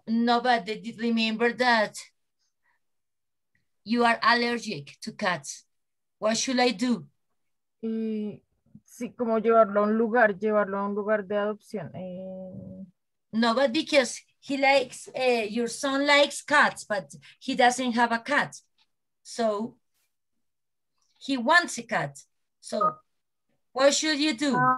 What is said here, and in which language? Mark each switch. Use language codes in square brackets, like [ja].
[en] No, but did remember that you are allergic to cats. What should I do? [es] Sí, como llevarlo a un lugar de adopción. [en] No, but because your son likes cats, but he doesn't have a cat. So he wants a cat. So what should you do?